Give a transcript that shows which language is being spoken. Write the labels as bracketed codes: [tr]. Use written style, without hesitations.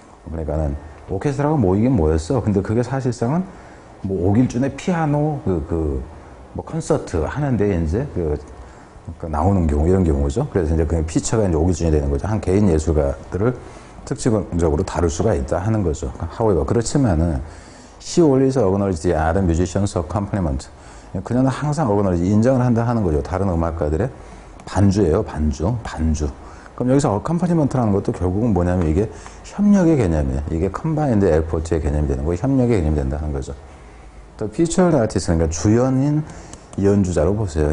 [ko] 그러니까는 오케스트라가 모이긴 모였어. 근데 그게 사실상은 뭐 오길준의 피아노 그 콘서트 하는데 이제 그 나오는 경우 이런 경우죠. 그래서 이제 그 피처가 이제 오길준이 되는 거죠. 한 개인 예술가들을 특징적으로 다룰 수가 있다 하는 거죠. [en] However, [ko] 그렇지만은 [en] She always acknowledged the other musicians of compliment. [ko] 그녀는 항상 어그너지 인정을 한다 하는 거죠. 다른 음악가들의 반주예요. 반주. 그럼 여기서 어컴파니먼트라는 것도 결국은 뭐냐면 이게 협력의 개념이에요. 이게 컴바인드 에포츠의 개념이 되는 거예요. 협력의 개념이 된다는 거죠. 또 피처드 아티스트는 주연인 연주자로 보세요.